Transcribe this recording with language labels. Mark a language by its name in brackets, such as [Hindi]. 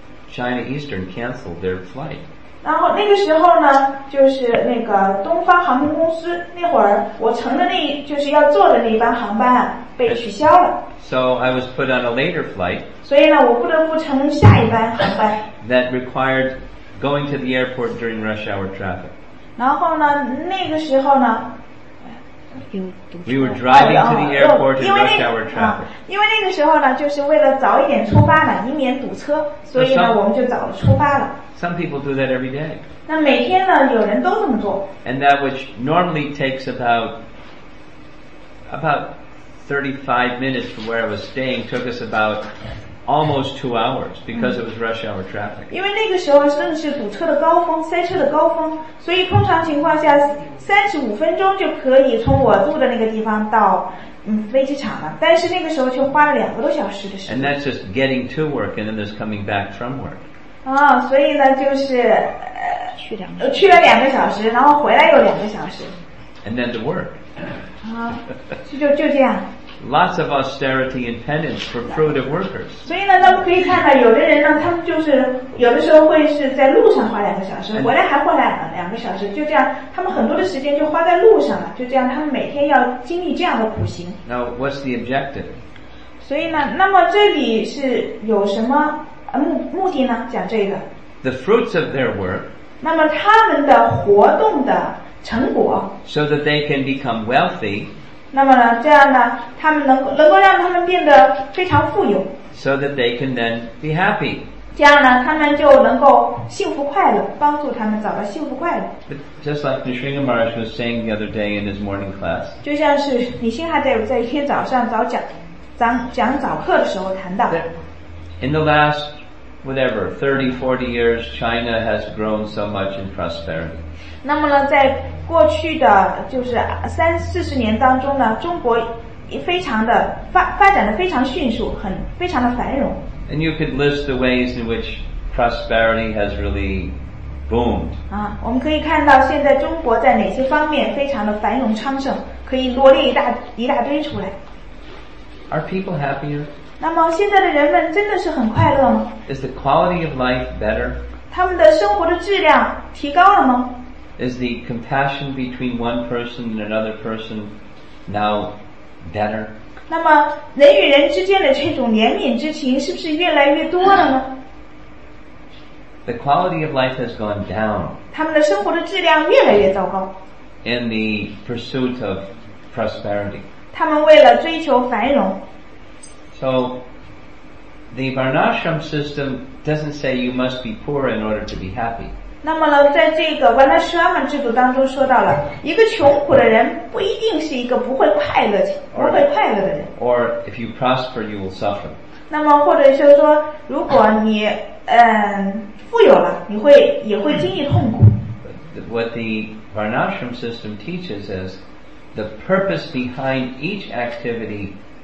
[English] China Eastern canceled their flight. [Chinese] 然后那个时候呢，就是那个东方航空公司，那会儿我乘的那，就是要坐的那一班航班啊，被取消了。 [English] So I was put on a later flight. [Chinese] 所以呢，我不得不乘下一班航班。 [English] That required going to the airport during rush hour traffic. [Chinese] 然后呢，那个时候呢。 [English] We were driving to the airport in rush hour traffic. [Chinese] 因为那个时候呢，就是为了早一点出发呢，以免堵车，所以呢，我们就早出发了。 [English] Some people do that every day. [Chinese] 那每天呢，有人都这么做。 [English] And that which normally takes about 35 minutes from where I was staying took us about almost 2 hours because it was rush hour traffic. [Chinese] 因为那个时候正是堵车的高峰，塞车的高峰，所以通常情况下35分钟就可以从我住的那个地方到飞机场了。但是那个时候却花了两个多小时的时间。 [English] And that's just getting to work, and then there's coming back from work. [Chinese] 啊，所以呢，就是去了两个小时，然后回来又两个小时。 [English] And then to work. [Chinese] 啊，就这样。 [English] Lots of austerity and penance for productive workers. [Chinese] 所以呢，咱们可以看到，有的人呢，他们就是有的时候会是在路上花两个小时，回来还花两个小时，就这样，他们很多的时间就花在路上了，就这样，他们每天要经历这样的苦行。 [English] Now, what's the objective? [Chinese] 所以呢，那么这里是有什么目的呢？讲这个。 [English] The fruits of their work. [Chinese] 那么他们的活动的成果。 [English] So that they can become wealthy. [Chinese] 那么呢，这样呢，他们能够让他们变得非常富有。 [English] So that they can then be happy. [Chinese] 这样呢，他们就能够幸福快乐，帮助他们找到幸福快乐。 [English] But just like Nisringa Maharaj was saying the other day in his morning class. [Chinese] 就像是李辛哈德在一天早上讲早课的时候谈到。 [English] In the last whatever 30-40 years, China has grown so much in prosperity. [Chinese] 那么呢，在过去的就是三四十年当中呢，中国非常的发展的非常迅速，很非常的繁荣。 [English] And you could list the ways in which prosperity has really boomed. [Chinese] 啊，我们可以看到现在中国在哪些方面非常的繁荣昌盛，可以罗列一大堆出来。 [English] Are people happier? [Chinese] 那么现在的人们真的是很快乐吗 [English] ？Is the quality of life better? [Chinese] 他们的生活的质量提高了吗？ [English] Is the compassion between one person and another person now better? [Chinese] 那么人与人之间的这种怜悯之情是不是越来越多了呢？ [English] The quality of life has gone down. [Chinese] 他们的生活的质量越来越糟糕。 [English] In the pursuit of prosperity. [Chinese] 他们为了追求繁荣。 [English] So, the Varnashram system doesn't say you must be poor in order to be happy. [Chinese] 那么呢，在这个 Varnashrama 制度当中说到了，一个穷苦的人不一定是一个不会快乐的人。 [English] Or if you prosper, you will suffer. [Chinese] 那么或者是说，如果你富有了，你会也会经历痛苦。 [English] What the Varnashrama system teaches is the purpose behind each activity.